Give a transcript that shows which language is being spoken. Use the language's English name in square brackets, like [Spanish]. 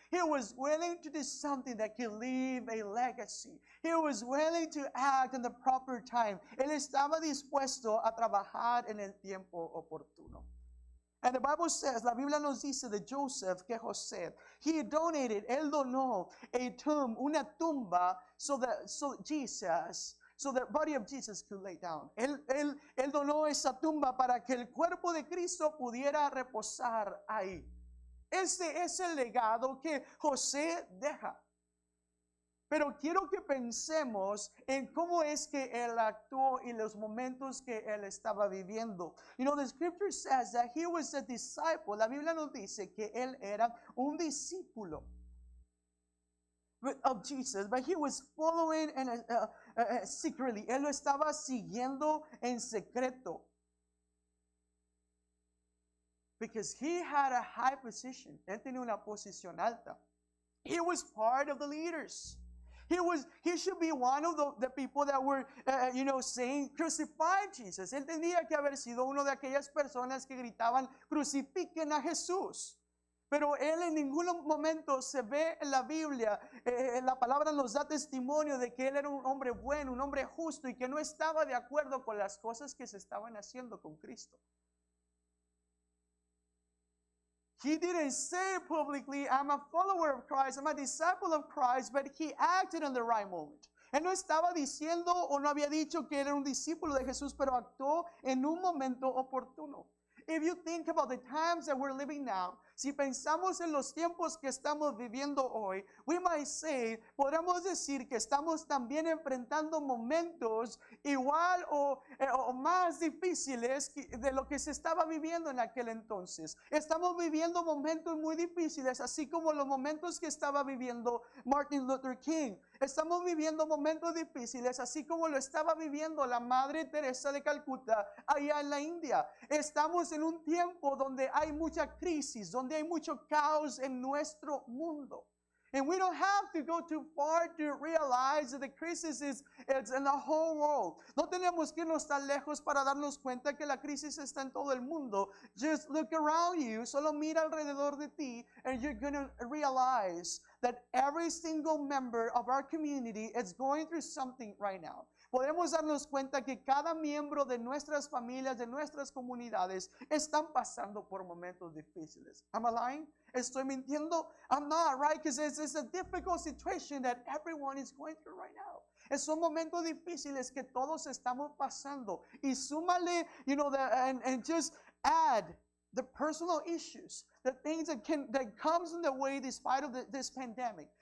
[English] He was willing to do something that could leave a legacy. He was willing to act in the proper time. [Spanish] Él estaba dispuesto a trabajar en el tiempo oportuno. [English] And the Bible says, [Spanish] la Biblia nos dice de Joseph que José, [English] he donated, [Spanish] él donó [English] a tomb, [Spanish] una tumba, so the body of Jesus could lay down. Él donó esa tumba para que el cuerpo de Cristo pudiera reposar ahí. Ese es el legado que José deja. Pero quiero que pensemos en cómo es que él actuó y los momentos que él estaba viviendo. [English] You know, the scripture says that he was a disciple. [Spanish] La Biblia nos dice que él era un discípulo [English] of Jesus, but he was following in secretly. [Spanish] Él lo estaba siguiendo en secreto. [English] Because he had a high position. [Spanish] Él tenía una posición alta. [English] He was part of the leaders. He should be one of the people that were, you know, saying, crucify Jesus. [Spanish] Él tenía que haber sido uno de aquellas personas que gritaban, crucifiquen a Jesús. Pero él en ningún momento se ve en la Biblia, la palabra nos da testimonio de que él era un hombre bueno, un hombre justo y que no estaba de acuerdo con las cosas que se estaban haciendo con Cristo. [English] He didn't say publicly, I'm a follower of Christ, I'm a disciple of Christ, but he acted in the right moment. [Spanish] Él no estaba diciendo o no había dicho que era un discípulo de Jesús, pero actuó en un momento oportuno. [English] If you think about the times that we're living now, [Spanish] si pensamos en los tiempos que estamos viviendo hoy, [English] we might say, [Spanish] podemos decir que estamos también enfrentando momentos igual o más difíciles de lo que se estaba viviendo en aquel entonces. Estamos viviendo momentos muy difíciles, así como los momentos que estaba viviendo Martin Luther King. Estamos viviendo momentos difíciles, así como lo estaba viviendo la Madre Teresa de Calcuta allá en la India. Estamos en un tiempo donde hay mucha crisis, donde hay mucho caos en nuestro mundo. [English] And we don't have to go too far to realize that the crisis is in the whole world. [Spanish] No tenemos que irnos tan lejos para darnos cuenta que la crisis está en todo el mundo. [English] Just look around you, [Spanish] solo mira alrededor de ti, [English] and you're going to realize that every single member of our community is going through something right now. [Spanish] Podemos darnos cuenta que cada miembro de nuestras familias, de nuestras comunidades, están pasando por momentos difíciles. [English] Am I lying? [Spanish] ¿Estoy mintiendo? [English] I'm not, right? Because it's a difficult situation that everyone is going through right now. [Spanish] Es un momento difícil es que todos estamos pasando. Y súmale, [English] you know, and just add the personal issues, the things that comes in the way despite of this pandemic.